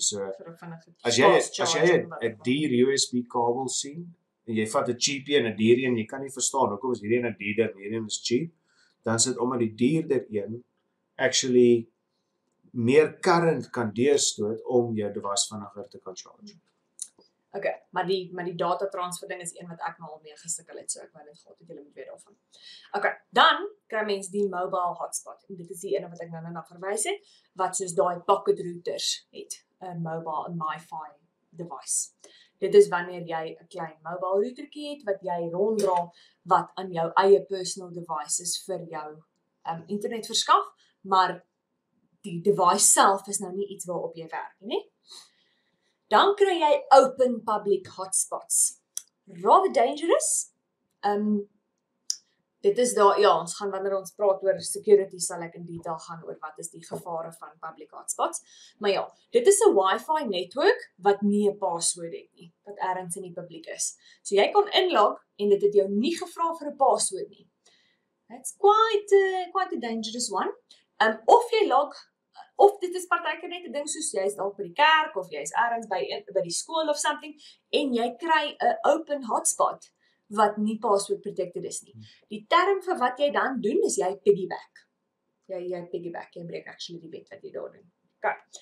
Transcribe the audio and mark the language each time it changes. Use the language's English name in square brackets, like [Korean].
[Afrikaans] So as jy 'n duur USB kabel sien en jy vat 'n cheap een en 'n duur een, jy kan nie verstaan hoekom is hierdie een 'n duurder en hierdie een is cheap, dan is dit omdat die duurder een actually meer current kan deurstoot om jou device vinniger te kan charge. Okay, maar die data transfer ding is een wat ek nou al mee gesukkel het, so ek wou net gehad het julle moet weet daarvan. Okay, dan kry mens die mobile hotspot. En dit is die een wat ek nou na verwys het, wat soos daai pocket routers het, 'n mobile en Wi-Fi device. Dit is wanneer jy 'n klein mobile routertjie het wat jy ronddra wat aan jou eie personal devices vir jou internet verskaf, maar die device self is nou nie iets waarop jy werk nie. Dan kry jy open public hotspots. [English] Rather dangerous. [Afrikaans] Dit is daar, ja, ons gaan wanneer ons praat oor security sal ek in detail gaan oor wat is die gevare van public hotspots. Maar ja, dit is 'n Wi-Fi netwerk wat nie 'n password het nie, wat ergens in die publiek is. So jy kan inlog en dit het jou nie gevra vir 'n password nie. [English] That's quite a dangerous one. [Afrikaans] Of jy log of dit is partykeer net 'n ding soos jy is dalk by die kerk of jy is ergens by die skool of something en jy kry 'n open hotspot wat nie password protected is nie. Die term vir wat jy dan doen is jy piggyback. Jy breek actually die wet wat jy daar doen. Okay.